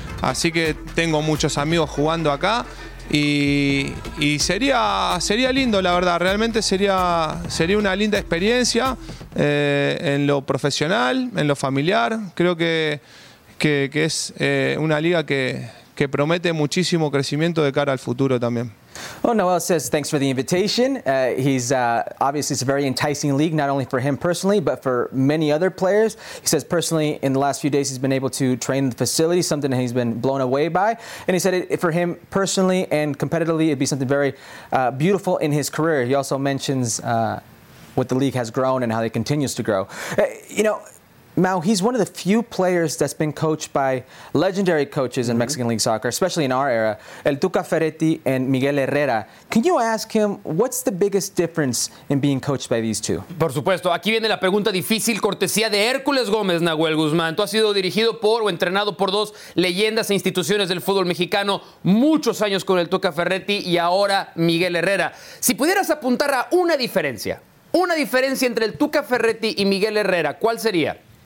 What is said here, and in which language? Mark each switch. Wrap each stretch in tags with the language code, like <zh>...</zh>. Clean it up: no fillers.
<es>Así que tengo muchos amigos jugando acá y sería lindo, la verdad, realmente sería una linda experiencia en lo profesional, en lo familiar. Creo que es una liga que promete muchísimo crecimiento de cara al futuro también.</es> <en>Well, Noel says thanks for the invitation. He's obviously it's a very enticing league, not only for him personally, but for many other players. He says personally, in the last few days, he's been able to train in the facility, something that he's been blown away by. And he said for him personally and competitively, it'd be something very beautiful in his career. He also mentions what the league has grown and how it continues to grow. You know, Mau, he's one of the few players that's been coached by legendary coaches in Mexican League Soccer, especially in our era, El Tuca Ferretti and Miguel Herrera. Can you ask him, what's the biggest difference in being coached by these two?</en> <es>Por supuesto. Aquí viene la pregunta difícil, cortesía de Hércules Gómez, Nahuel Guzmán. Tú has sido dirigido por o entrenado por dos leyendas e instituciones del fútbol mexicano, muchos años con El Tuca Ferretti y ahora Miguel Herrera. Si pudieras apuntar a una diferencia entre El Tuca Ferretti y Miguel Herrera, ¿cuál sería?</es>